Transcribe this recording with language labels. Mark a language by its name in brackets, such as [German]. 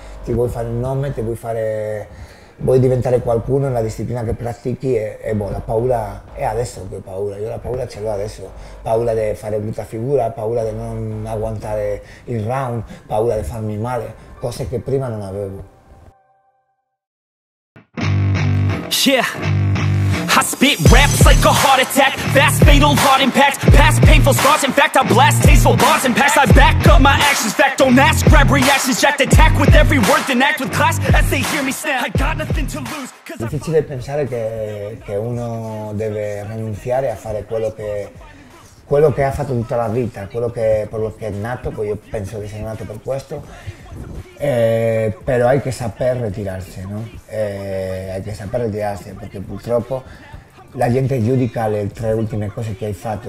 [Italian] Ti vuoi fare un nome, vuoi diventare qualcuno nella disciplina che pratichi e la paura è adesso che ho paura, io la paura ce l'ho adesso, paura di fare brutta figura, paura di non agguantare il round, paura di farmi male, cose che prima non avevo. [English] Yeah, I spit raps like a heart attack, fast fatal heart impact, past painful scars, in fact I blast tasteful bars and packs, I back up my actions, fact don't ask, grab reactions, jacked attack with every word, then act with class as they hear me snap, I got nothing to lose. [Italian] È difficile pensare che uno deve rinunciare a fare quello che ha fatto tutta la vita, quello che è nato, poi io penso che sei nato per questo. Però hai che saper ritirarsi, no? Hai che saper ritirarsi perché purtroppo la gente giudica le 3 ultime cose che hai fatto.